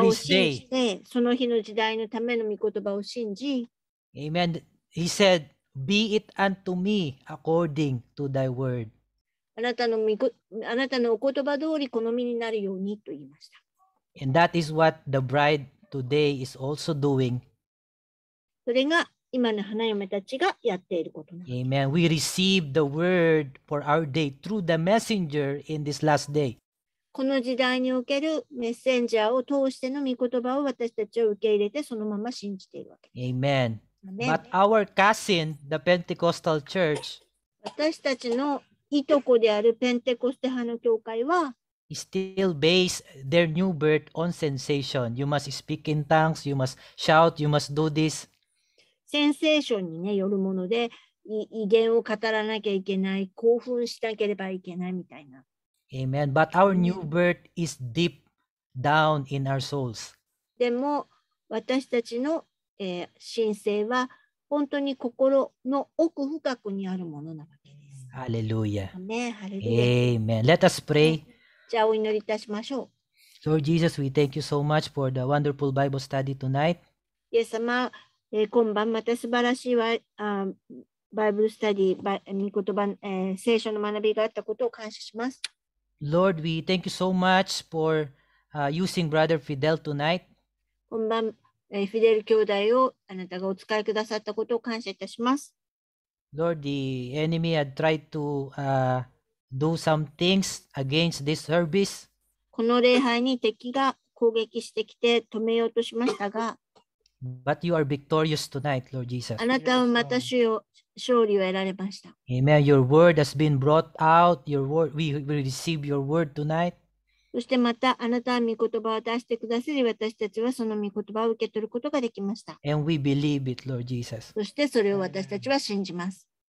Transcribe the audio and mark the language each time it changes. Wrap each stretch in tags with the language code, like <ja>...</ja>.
<ja>御言葉を信じて、その日の時代のための御言葉を信じ。</ja> <en>Amen. He said, be it unto me according to thy word.</en> <ja>あなたのお言葉通り好みになるようにと言いました。</ja> <en>And that is what the bride today is also doing.</en> <ja>それが今の花嫁たちがやっていることなんです。</ja> <en>Amen. We receive the word for our day through the messenger in this last day.</en> <ja>この時代におけるメッセンジャーを通しての御言葉を私たちは受け入れてそのまま信じているわけです。</ja> <en>Amen. But our cousin, the Pentecostal church,</en> <ja>私たちのいとこであるペンテコステ派の教会は、</ja> <en>still base their new birth on sensation. You must speak in tongues, you must shout, you must do this.</en> <ja>センセーションに、ね、よるもので、異言を語らなきゃいけない、興奮しなければいけないみたいな。</ja> <en>Amen. But our new birth is deep down in our souls.</en> <ja>でも、私たちの、神聖は本当に心の奥深くにあるものなわけです。</ja> <en>Hallelujah. Amen. Hallelujah. Amen. Let us pray.</en> <ja>じゃあ、お祈りいたしましょう。</ja> <en>Lord Jesus, we thank you so much for the wonderful Bible study tonight.</en> <ja>イエス様、今晩また素晴らしいバイブルスタディ、御言葉、聖書の学びがあったことを感謝します。</ja> <en>Lord, we thank you so much for using Brother Fidel tonight.</en> <ja>今晩、フィデル兄弟をあなたがお使いくださったことを感謝いたします。</ja> <en>Lord, the enemy had tried to do some things against this service.</en> <ja>この礼拝に敵が攻撃してきて止めようとしましたが、</ja> <en>But you are victorious tonight, Lord Jesus.</en> <ja>あなたはまた主よ、勝利を得られました。</ja> <en>Amen. Your word has been brought out. Your word, we will receive your word tonight.</en> <ja>そしてまたあなたは御言葉を出してくださり、私たちはその御言葉を受け取ることができました。</ja> <en>And we believe it, Lord Jesus.</en> <ja>そしてそれを私たちは信じます。</ja>